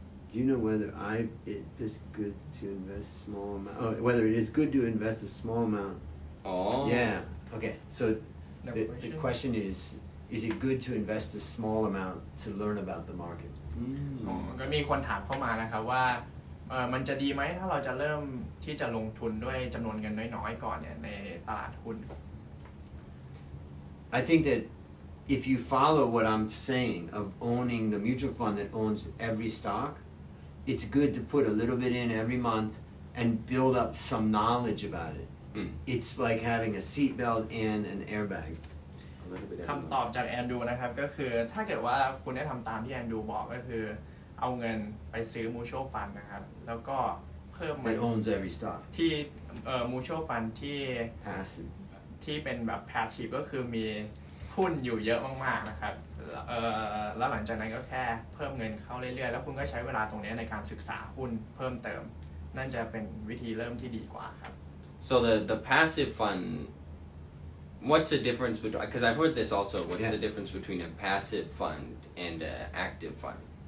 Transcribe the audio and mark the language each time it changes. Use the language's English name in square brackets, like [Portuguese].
[English] Do you know whether IBIS good to invest small amount? Oh, whether it is good to invest a small amount? Oh. Yeah. Okay. So the question is it good to invest a small amount to learn about the market? [Thai] ก็มีคนถามเข้ามานะครับว่ามันจะดีไหมถ้าเราจะเริ่มที่จะลงทุนด้วยจำนวนเงินน้อยๆก่อนเนี่ยในตลาดหุ้น [English] I think that. If you follow what I'm saying of owning the mutual fund that owns every stock, it's good to put a little bit in every month and build up some knowledge about it. Mm. It's like having a seatbelt and an airbag. [Thai] คำตอบจากแอนดูนะครับก็คือถ้าเกิดว่าคุณได้ทำตามที่แอนดูบอกก็คือเอาเงินไปซื้อ mutual fund นะครับแล้วก็เพิ่มมัน [English] that owns every stock [Thai] ที่mutual fund ที่ [English] passive [Thai] ที่เป็นแบบ passive ก็คือมีหุ้นอยู่เยอะมากๆนะครับแล้วหลังจากนั้นก็แค่เพิ่มเงินเข้าเรื่อยๆแล้วคุณก็ใช้เวลาตรงนี้ในการศึกษาหุ้นเพิ่มเติมนั่นจะเป็นวิธีเริ่มที่ดีกว่าครับ [English] So the passive fund what's the difference between because I've heard this also what's the difference between a passive fund and an active fund